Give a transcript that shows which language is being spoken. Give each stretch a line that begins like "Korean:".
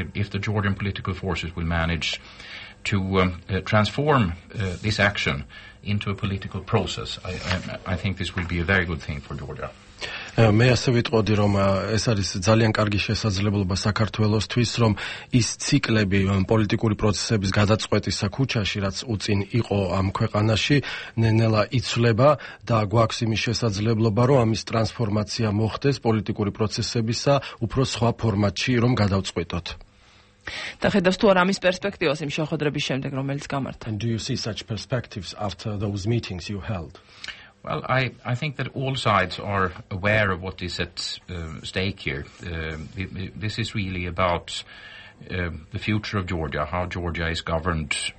English: the Georgian political forces will manage to transform this action into a political process, I think this will be a very good thing for Georgia.
Georgian: მე ასე ვიტყოდი, რომ ეს არის ძალიან კარგი შესაძლებლობა საქართველოსთვის, რომ ის ციკლები პოლიტიკური პროცესების გადაწყვეტისა ქუჩაში, რაც უწინ იყო ამ ქვეყანაში, ნელა იცვლება და გვაქვს იმის შესაძლებლობა, რომ ამის ტრანსფორმაცია მოხდეს პოლიტიკური პროცესებისა უფრო სხვა ფორმატში, რომ გადავწყვეტოთ. და ხედავს თუ არა ამის პერსპექტივას იმ შეხვედრების შემდეგ, რომელიც გამართა?
English: And do you see such perspectives after those meetings you held? Well, I think that all sides are aware of what is at stake here. This is really about the future of Georgia, how Georgia is governed,